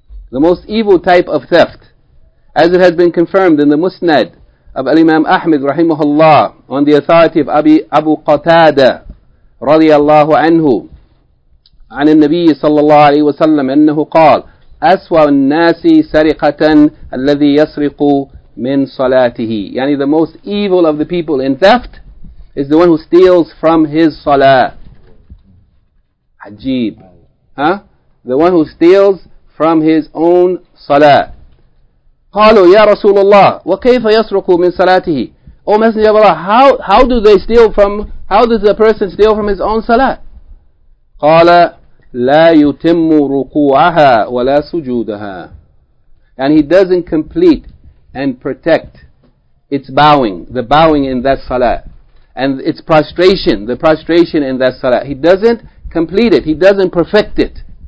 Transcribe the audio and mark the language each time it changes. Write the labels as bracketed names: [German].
[English] The most evil type of theft. As it has been confirmed in the Musnad of Al-Imam Ahmad rahimahullah, on the authority of Abu Qatada radiyallahu anhu, [Arabic] عن النبي صلى الله عليه وسلم أنه قال أسوأ الناس سرقة الذي يسرق من صلاته. [English] Yani the most evil of the people in theft is the one who steals from his salah. Ajib. Huh? The one who steals from his own salah. [Arabic] قالوا يا رسول الله وكيف يسرق من صلاته. [English] O Messenger of Allah, how does a person steal from his own salah? [Arabic] قال لا يتم ركوعها ولا سجودها. [English] And he doesn't complete and protect its bowing, the bowing in that salah, and its prostration, the prostration in that salah. He doesn't complete it, he doesn't perfect it.